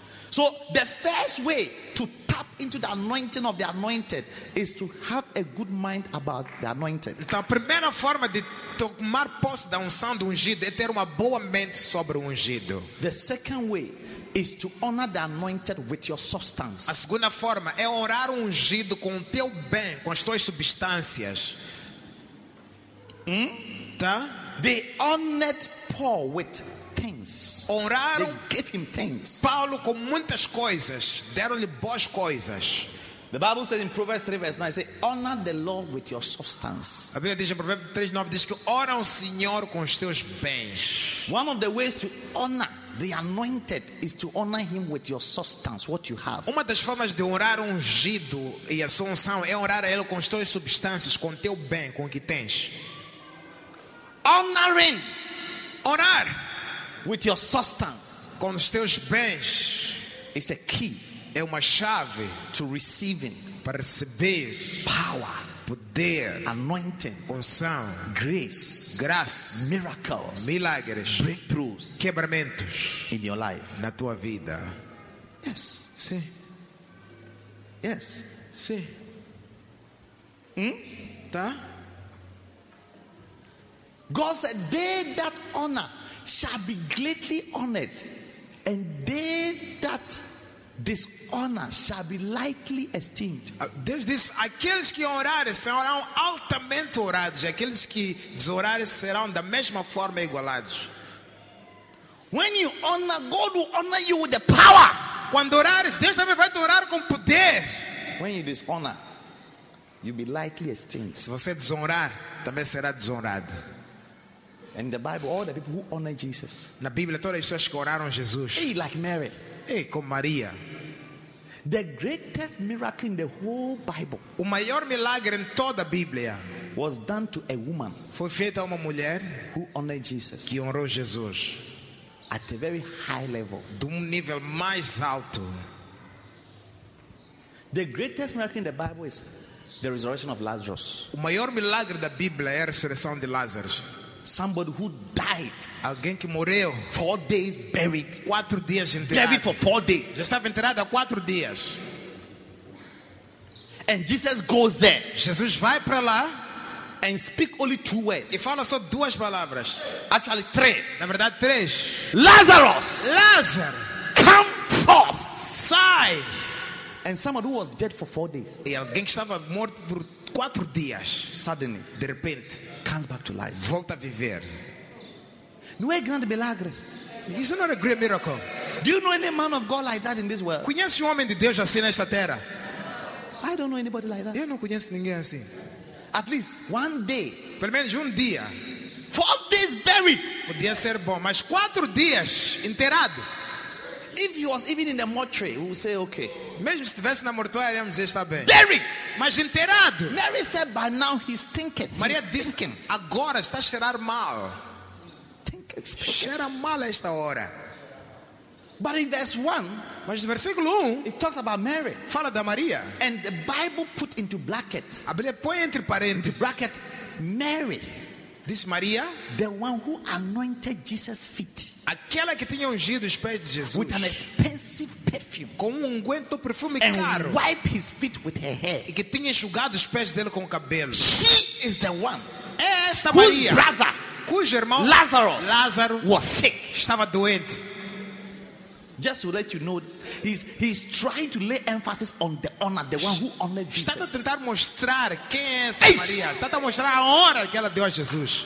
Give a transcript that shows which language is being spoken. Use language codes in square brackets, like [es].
[en] So the first way to tap into the anointing of the anointed is to have a good mind about the anointed. [pt] Então, a primeira forma de tomar posse da unção do ungido é ter uma boa mente sobre o ungido. [en] The second way is to honor the anointed with your substance. [pt] A segunda forma é honrar o ungido com o teu bem, com as tuas substâncias. Tá? [en] They honored Paul with things. [pt] Honraram [en] they gave him things. [pt] Paulo com muitas coisas, deram-lhe boas coisas. [en] The Bible says in Proverbs 3:9, say, honor the Lord with your substance. [pt] A Bíblia diz em Provérbios 3:9, diz que honra o Senhor com os teus bens. [en] One of the ways to honor the anointed is to honor him with your substance, what you have. [pt] Uma das formas de honrar o ungido e a sua unção é honrar a ele com as tuas substâncias, com o teu bem, com o que tens. [en] Honoring. [pt] Honrar. [en] With your substance, [pt] com os teus bens, [en] it's a key, [pt] é uma chave [en] to receiving, [pt] para receber [en] power, [pt] poder, [en] anointing, [pt] unção, [en] grace, [pt] graça, [en] miracles, [pt] milagres, [en] breakthroughs, [pt] quebramentos, [en] in your life, [pt] na tua vida. [en] Yes, [pt] sim. [en] Yes, [pt] sim. Tá? [en] God said, they that honor shall be greatly honored, and they that dishonor shall be lightly esteemed. [pt] Deus disse, aqueles que honrarem serão altamente honrados, aqueles que desonrarem serão da mesma forma igualados. [en] When you honor, God will honor you with the power. [pt] Quando orares, Deus também vai te honrar com poder. [en] When you dishonor, you'll be lightly esteemed. [pt] Se você desonrar, também será desonrado. [en] And in the Bible, all the people who honor Jesus. [pt] Na Bíblia, todas as pessoas que oraram Jesus. [en] Hey, like Mary. [pt] Hey, como Maria. [en] The greatest miracle in the whole Bible. [pt] O maior milagre em toda a Bíblia. [en] Was done to a woman. [pt] Foi feito a uma mulher. [en] Who honored Jesus. [pt] Que honrou Jesus. [en] At a very high level. [pt] De nível mais alto. [en] The greatest miracle in the Bible is the resurrection of Lazarus. [pt] O maior milagre da Bíblia é a ressurreição de Lázaro. [en] Somebody who died. [pt] Alguém que morreu. [en] 4 days buried. [pt] 4 dias enterrado. [en] Buried for 4 days. [pt] Já estava enterrado há 4 dias. [en] And Jesus goes there. [pt] Jesus vai para lá. [en] And speak only 2 words. [pt] E fala só 2 palavras. [en] Actually 3. [pt] Na verdade 3. [en] Lazarus. [pt] Lazar. [en] Come forth. [pt] Sai. [en] And somebody who was dead for 4 days. [pt] E alguém que estava morto por 4 dias. [en] Suddenly. [pt] De repente. [en] Comes back to life. [pt] Volta a viver. Não é grande milagre. [en] Is it not a great miracle? Do you know any man of God like that in this world? [pt] Conhece um homem de Deus assim nesta terra? [en] I don't know anybody like that. [pt] Eu não conheço ninguém assim. [en] At least one day. [pt] Pelo menos dia. [en] 4 days buried. [pt] Podia ser bom, mas 4 dias enterrado. [en] If he was even in the mortuary, we would say okay. [pt] Mesmo se estivesse na mortuária, iríamos dizer está bem. [en] Buried. [pt] Mas enterrado. [en] Mary said, by now he stinketh. [pt] Maria disse, agora está a cheirar mal. Cheira mal a esta hora. [en] But in verse 1, [pt] mas no versículo 1, [en] it talks about Mary. [pt] Fala da Maria. [en] And the Bible put into bracket. [pt] A Bíblia põe entre parênteses. [en] Into bracket, Mary. [pt] Diz Maria, [en] the one who anointed Jesus' feet. [pt] Aquela que tinha ungido os pés de Jesus. [en] With an expensive perfume. [pt] Com unguento, perfume [en] and [pt] caro. [en] And wiped his feet with her hair. [pt] E que tinha enxugado os pés dele com o cabelo. [en] She is the one. [pt] É esta [en] whose [pt] Maria. [en] Whose brother? [pt] Cujo irmão [en] Lazarus. [pt] Lázaro [en] was sick. [pt] Estava doente. [en] Just to let you know, he's trying to lay emphasis on the honor, the one who honored Jesus. [pt] Está a tentar mostrar quem é essa Maria. Está a mostrar a honra que ela deu a Jesus.